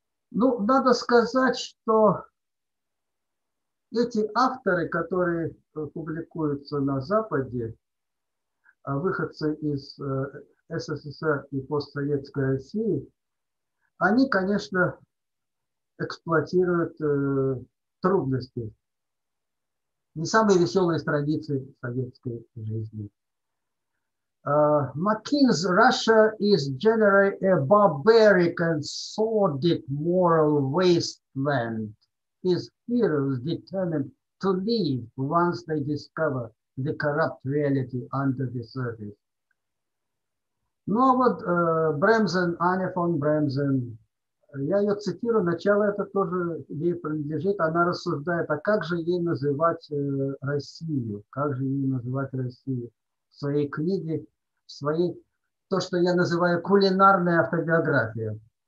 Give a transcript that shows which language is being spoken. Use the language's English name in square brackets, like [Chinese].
[Russian] Ну, надо сказать, что эти авторы, которые публикуются на Западе, выходцы из СССР и постсоветской России, они, конечно, эксплуатируют трудности, не самые веселые страницы советской жизни. [English] McKean's Russia is generally a barbaric and sordid moral wasteland. His heroes determined to leave once they discover the corrupt reality under the surface. [Russian] Ну а вот Бремзен, Аня фон Бремзен, я ее цитирую, начало это тоже ей принадлежит, она рассуждает, а как же ей называть Россию, как же ей называть Россию в своей книге, в своей, то, что я называю кулинарная автобиография.